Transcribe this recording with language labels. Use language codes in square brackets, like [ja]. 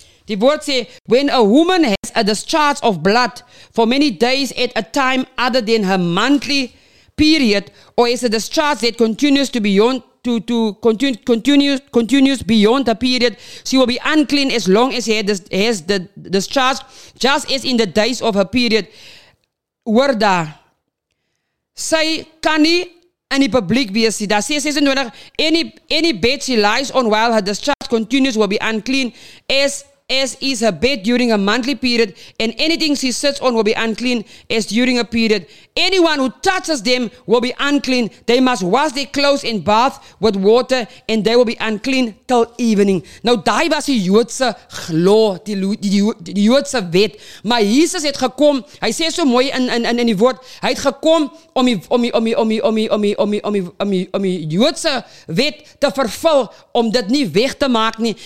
[af] Die woord sê, [en] when a woman has a discharge of blood for many days at a time other than her monthly period, or is a discharge that continues to be beyond continues beyond the period, she will be unclean as long as she has the discharge, just as in the days of her period. [af] Word daar. Sy kan nie in die publiek wees nie. Daar sê 26, [en] any bed she lies on while her discharge continues will be unclean, as is her bed during a monthly period, and anything she sits on will be unclean as during a period. Anyone who touches them will be unclean. They must wash their clothes and bath with water, and they will be unclean till evening. [af] Nou, daai was die Joodse law, die Joodse wet. Maar Jesus het gekom, hy sê so mooi in die woord, hy het gekom om die Joodse wet te vervul, om dit nie weg te maak nie.